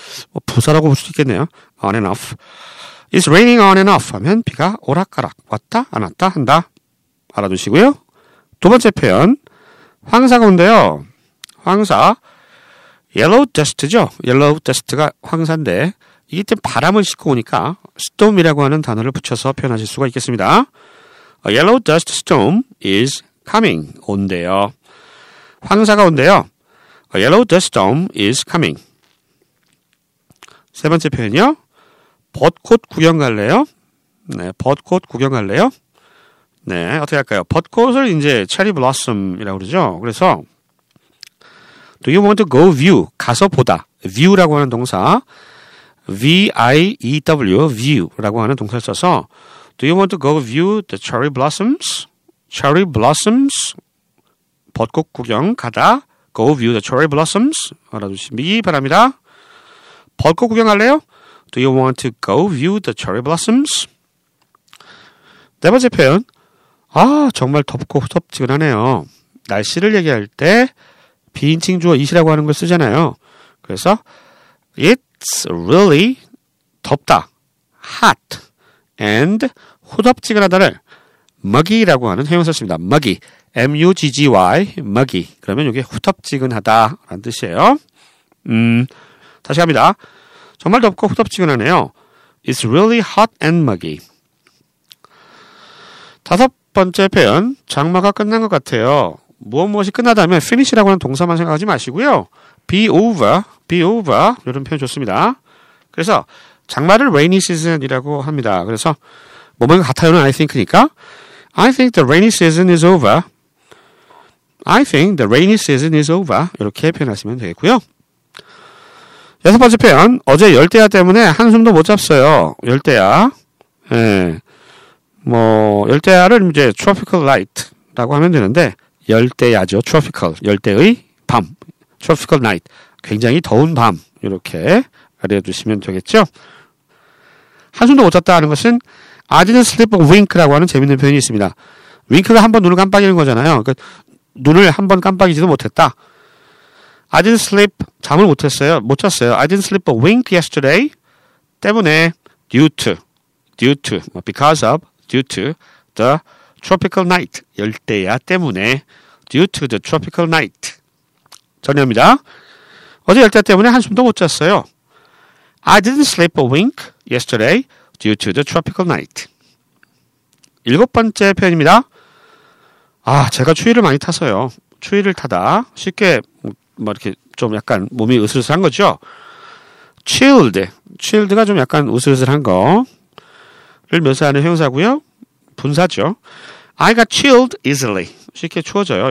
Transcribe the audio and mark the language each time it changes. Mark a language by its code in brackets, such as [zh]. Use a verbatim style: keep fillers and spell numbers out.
[ko] 뭐 부사라고 볼 수도 있겠네요. on and off. [en] It's raining on and off [ko] 하면 비가 오락가락 왔다 안 왔다 한다. 알아두시고요. 두 번째 표현 황사가 온대요. 황사 yellow dust죠. yellow dust가 황사인데 이게 좀 바람을 싣고 오니까 storm이라고 하는 단어를 붙여서 표현하실 수가 있겠습니다. [en] A yellow dust storm is coming. [ko] 온대요. 황사가 온대요. A yellow dust storm is coming. 세 번째 표현이요. 벚꽃 구경 갈래요? 네, 벚꽃 구경 갈래요? 네, 어떻게 할까요? 벚꽃을 이제 체리 블라썸이라고 그러죠. [en] 그래서 Do you want to go view? [ko] 가서 보다. view라고 하는 동사 V-I-E-W view라고 하는 동사를 써서 [en] Do you want to go view the cherry blossoms? cherry blossoms [ko] 벚꽃 구경 가다 [en] Go view the cherry blossoms. [ko] 알아두시기 바랍니다. 벚꽃 구경할래요? [en] Do you want to go view the cherry blossoms? [ko] 네 번째 표현. 아, 정말 덥고 후덥지근하네요. 날씨를 얘기할 때 비인칭 주어 it이라고 하는 걸 쓰잖아요. 그래서 [en] It's really [ko] 덥다, hot, and 후덥지근하다를 muggy라고 하는 형용사를 씁니다. [en] muggy. M-U-G-G-Y, muggy. [ko] 그러면 이게 후텁지근하다 라는 뜻이에요. 음, 다시 갑니다. 정말 덥고 후텁지근하네요. [en] It's really hot and muggy. [ko] 다섯 번째 표현, 장마가 끝난 것 같아요. 무엇 무엇이 끝나다면 finish라고 하는 동사만 생각하지 마시고요. [en] be over, be over [ko] 이런 표현 좋습니다. 그래서 장마를 rainy season이라고 합니다. 그래서 뭐뭐가 같아요는 [en] I think니까 I think the rainy season is over. I think the rainy season is over. [ko] 이렇게 표현하시면 되겠고요. 여섯 번째 표현. 어제 열대야 때문에 한숨도 못 잤어요. 열대야. 예. 뭐 열대야를 이제 tropical night라고 하면 되는데 열대야죠. tropical. 열대의 밤. tropical night. 굉장히 더운 밤. 이렇게 알려두시면 되겠죠. 한숨도 못 잤다 하는 것은 [en] I didn't sleep a wink [ko] 라고 하는 재밌는 표현이 있습니다. wink가 한 번 눈을 깜빡이는 거잖아요. 그러니까 눈을 한 번 깜빡이지도 못했다. [en] I didn't sleep, [ko] 잠을 못했어요. 못 잤어요. [en] I didn't sleep a wink yesterday. 때문에 due to, due to, because of, due to the tropical night. [ko] 열대야 때문에 [en] due to the tropical night. [ko] 정리합니다. 어제 열대야 때문에 한숨도 못 잤어요. [en] I didn't sleep a wink yesterday. Due to the tropical night. [ko] 일곱 번째 표현입니다. 아, 제가 추위를 많이 타서요. 추위를 타다. 쉽게 뭐 이렇게 좀 약간 몸이 으슬으슬한 거죠. [en] chilled. [ko] chilled가 좀 약간 으슬으슬한 거를 묘사하는 형용사고요. [en] 분사죠. I got chilled easily. [ko] 쉽게 추워져요.